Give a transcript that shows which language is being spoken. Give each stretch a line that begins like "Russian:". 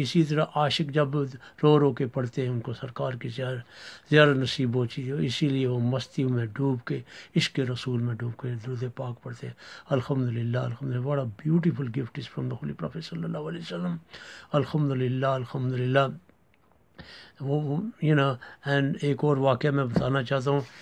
Urdu: اسی طرح عاشق جب رو رو کے پڑھتے ہیں, ان کو سرکار کی زیارت نصیب ہوتی ہے. اسی لیے وہ مستی میں ڈوب کے, عشق رسول میں ڈوب کے درود پاک پڑھتے ہیں, الحمدللہ, الحمدللہ.
English: What a beautiful gift is from the Holy Prophet
Arabic: صلی اللہ علیہ وسلم, الحمدللہ, الحمدللہ.
Urdu: وہ یو نو اینڈ ایک اور واقعہ میں بتانا چاہتا ہوں.